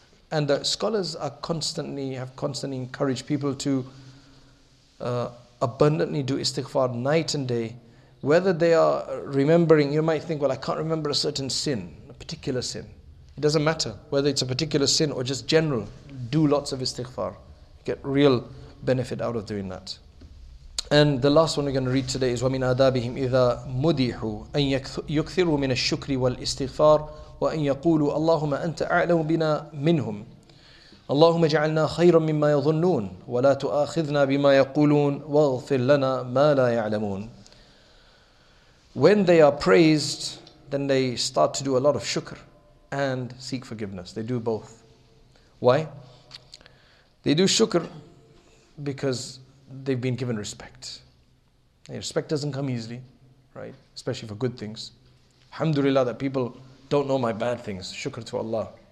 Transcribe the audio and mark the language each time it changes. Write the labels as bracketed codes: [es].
[en] And the scholars have constantly encouraged people to abundantly do istighfar night and day, whether they are remembering. You might think, well, I can't remember a certain sin, a particular sin. It doesn't matter whether it's a particular sin or just general. Do lots of istighfar. Get real benefit out of doing that. And the last one we're going to read today is [ar] وَمِنْ آدَابِهِمْ إِذَا مُدِيحُوا أَنْ يُكْثِرُوا مِنَ الشُّكْرِ وَالْإِسْتِغْفَارِ وَأَنْ يَقُولُوا اللَّهُمَّ أَنْتَ أَعْلَمُ بِنَا مِنْهُمْ اللَّهُمَّ جَعَلْنَا خَيْرًا مِمَّا يَظُنُّونَ وَلَا تُؤَاخِذْنَا بِمَا يَقُولُونَ وَاغْفِرْ لَنَا مَا لَا يَعْلَمُونَ. [en] When they are praised, then they start to do a lot of shukr and seek forgiveness. They do both. Why? They do shukr because they've been given respect. And respect doesn't come easily, right? Especially for good things. Alhamdulillah that people don't know my bad things. Shukr to Allah.